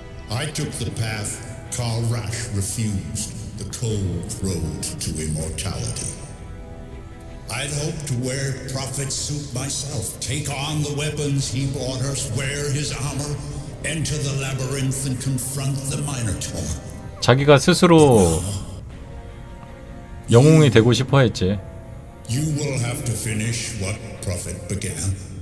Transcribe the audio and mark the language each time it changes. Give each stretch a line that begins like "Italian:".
English: I took the path Karl Rasch refused, the cold road to immortality. I'd hope to wear Prophet's suit myself, take on the weapons he bought us, wear his armor, enter the labyrinth and confront the Minotaur.
Korean: 자기가 스스로 영웅이 되고 싶어 했지.
English: You will have to finish what Prophet began.